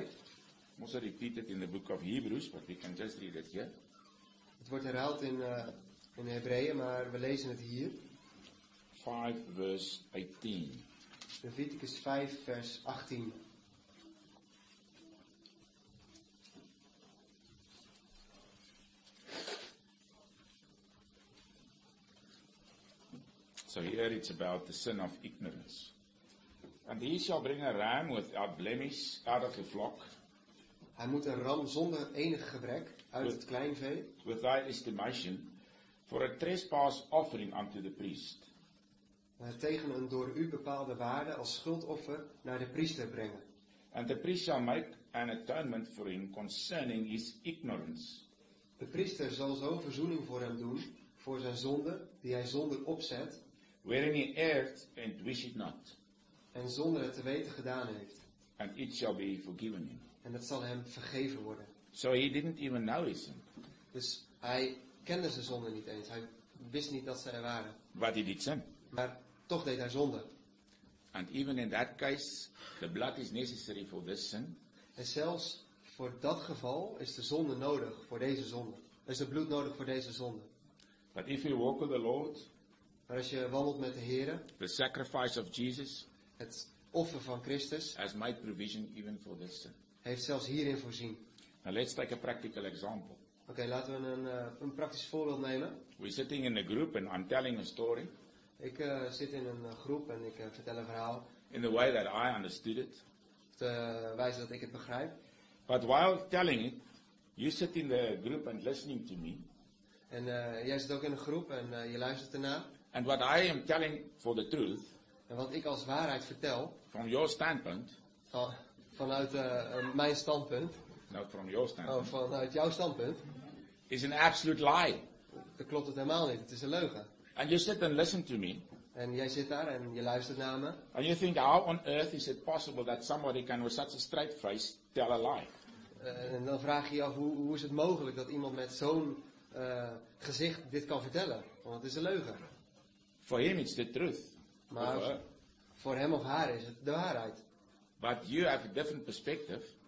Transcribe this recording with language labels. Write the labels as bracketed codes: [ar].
[nl] We moeten [en] repeat in the book of Hebrews, but we can just read it here. [nl] Het wordt herhaald in Hebreeën, maar we lezen het hier. [en] 5 verse 18. [nl] Leviticus 5 vers 18. [en] So here it's about the sin of ignorance. And he shall bring a ram without blemish out of the flock. [nl] Hij moet een ram zonder enig gebrek uit het kleinvee. [en] With thy estimation for a trespass offering unto the priest. [nl] Tegen een door u bepaalde waarde als schuldoffer naar de priester brengen. [en] And the priest shall make an atonement for him concerning his ignorance. [nl] De priester zal zo verzoening voor hem doen voor zijn zonde die hij zonder opzet. [en] Wherein he erred and wished not. [nl] En zonder het te weten gedaan heeft. [en] And it shall be forgiven him. [nl] En dat zal hem vergeven worden. [en] So he didn't even know his sin. [nl] Dus hij kende zijn zonde niet eens. Hij wist niet dat ze er waren. [en] But he did sin. [nl] Maar toch deed hij zonde. [en] And even in that case, the blood is necessary for this sin. [nl] En zelfs voor dat geval is de zonde nodig voor deze zonde. Is het bloed nodig voor deze zonde. [en] But if you walk with the Lord. [nl] Maar als je wandelt met de Heere, [en] the sacrifice of Jesus, [nl] het offer van Christus, [en] has made provision even for this sin. [nl] Heeft zelfs hierin voorzien. [en] Now let's take a practical example. [nl] Okay, laten we een praktisch voorbeeld nemen. [en] We're sitting in a group and I'm telling a story. [nl] Ik zit in een groep en ik vertel een verhaal. [en] In the way that I understood it. [nl] Op de wijze dat ik het begrijp. [en] But while telling it, you sit in the group and listening to me. [nl] En jij zit ook in een groep en je luistert erna. [en] And what I am telling for the truth, [nl] en wat ik als waarheid vertel, [en] from your standpoint, [nl] vanuit mijn standpunt, [en] not from your standpoint, [nl] vanuit jouw standpunt, [en] is an absolute lie. [nl] Dat klopt het helemaal niet, het is een leugen. [en] And you sit and listen to me. [nl] En jij zit daar en je luistert naar me. [en] And you think, how on earth is it possible that somebody can with such a straight face tell a lie? [nl] En dan vraag je je af, hoe is het mogelijk dat iemand met zo'n gezicht dit kan vertellen? Want het is een leugen. [en] For him it's the truth. [nl] Maar voor hem of haar is het de waarheid. [en] But you have a different perspective.